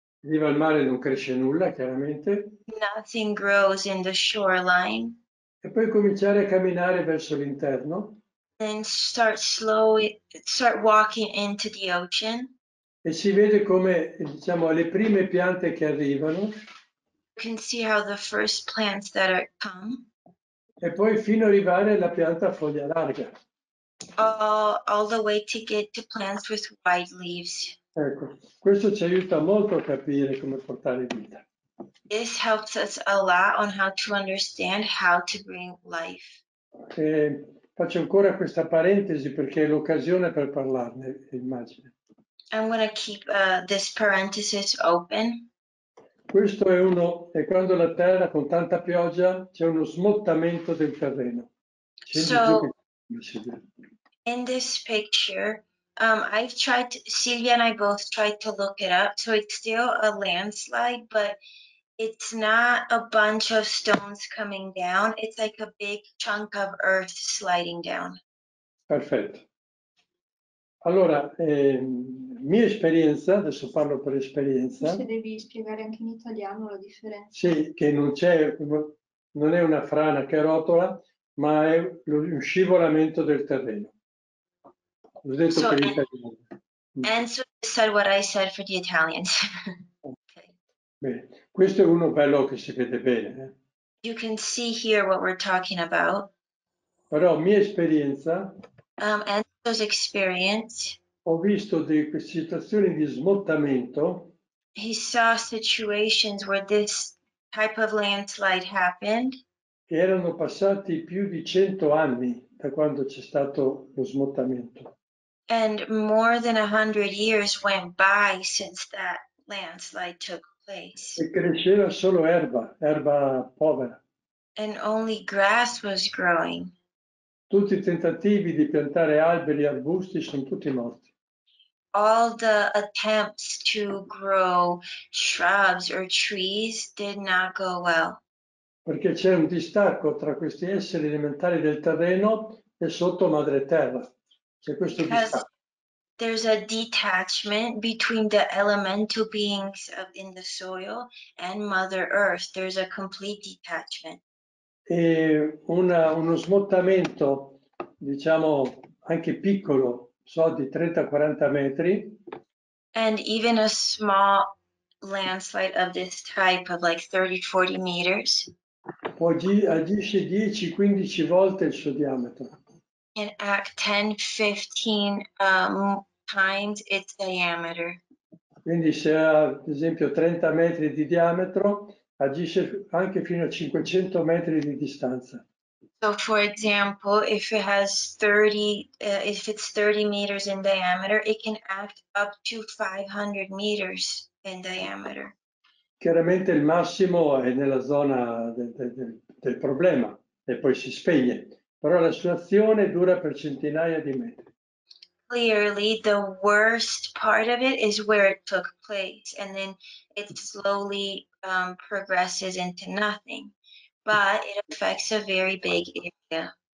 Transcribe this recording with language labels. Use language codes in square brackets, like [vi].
[it] In riva al mare non cresce nulla, chiaramente. [en] Nothing grows in the shoreline. [it] E poi cominciare a camminare verso l'interno. [en] Then start walking into the ocean. [it] E si vede come, diciamo, le prime piante che arrivano. [en] You can see how the first plants that are come. [it] E poi fino a arrivare alla pianta a foglia larga. [en] All the way to get to plants with wide leaves. [it] Ecco, questo ci aiuta molto a capire come portare vita. [en] This helps us a lot on how to understand how to bring life. [it] E faccio ancora questa parentesi perché è l'occasione per parlarne, immagino. [en] I'm going to keep this parenthesis open. [it] Questo è uno, è quando la terra con tanta pioggia c'è uno smottamento del terreno. [en] So, in this picture, Silvia and I both tried to look it up. So it's still a landslide, but it's not a bunch of stones coming down. It's like a big chunk of earth sliding down. [it] Perfetto. Allora, mia esperienza, adesso parlo per esperienza. Se devi spiegare anche in italiano la differenza. Sì, che non c'è, non è una frana che rotola, ma è un scivolamento del terreno. L'ho detto per l'italiano. [en] Enzo said what I said for the Italians. Okay. [it] Bene, questo è uno bello che si vede bene. Eh? [en] You can see here what we're talking about. [it] Però mia esperienza. [en] Enzo's experience. [it] Ho visto delle situazioni di smottamento. [en] He saw situations where this type of landslide happened. [it] Che erano passati più di 100 anni da quando c'è stato lo smottamento. [en] And more than 100 years went by since that landslide took place. [it] E cresceva solo erba, erba povera. [en] And only grass was growing. [it] Tutti i tentativi di piantare alberi e arbusti sono tutti morti. [en] All the attempts to grow shrubs or trees did not go well. [it] Perché c'è un distacco tra questi esseri elementari del terreno e sotto madre terra. C'è questo [en] Because [it] distacco. [en] There's a detachment between the elemental beings of in the soil and mother earth. There's a complete detachment. [it] E uno smottamento, diciamo, anche piccolo, so di 30-40 metri. [en] And even a small landslide of this type of like 30-40 meters. [it] Agisce 10-15 volte il suo diametro. [en] And act 10-15 times its diameter. [it] Quindi se ha, ad esempio, 30 metri di diametro, agisce anche fino a 500 metri di distanza. [en] So for example, if it has 30 meters in diameter, it can act up to 500 meters in diameter. [it] Chiaramente il massimo è nella zona del problema e poi si spegne, però la sua azione dura per centinaia di metri. [en] Clearly the worst part of it is where it took place and then it slowly progresses into nothing, but it affects a very big area.